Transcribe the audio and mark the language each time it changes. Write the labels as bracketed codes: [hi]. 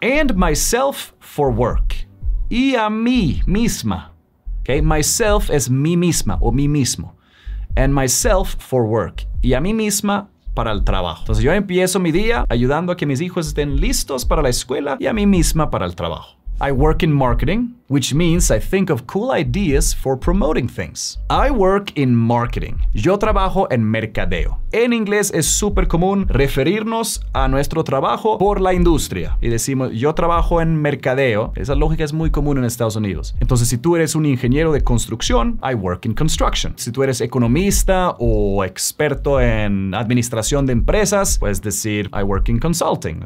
[en] And myself for work. [es] Y a mí misma. [en] Okay? [es] Myself es mi misma o mi mismo. [en] And myself for work. [es] Y a mí misma para el trabajo. Entonces yo empiezo mi día ayudando a que mis hijos estén listos para la escuela y a mí misma para el trabajo. [en] I work in marketing, which means I think of cool ideas for promoting things. I work in marketing. [es] Yo trabajo en mercadeo. En inglés es súper común referirnos a nuestro trabajo por la industria. Y decimos, yo trabajo en mercadeo. Esa lógica es muy común en Estados Unidos. Entonces, si tú eres un ingeniero de construcción, [en] I work in construction. [es] Si tú eres economista o experto en administración de empresas, puedes decir, [en] I work in consulting.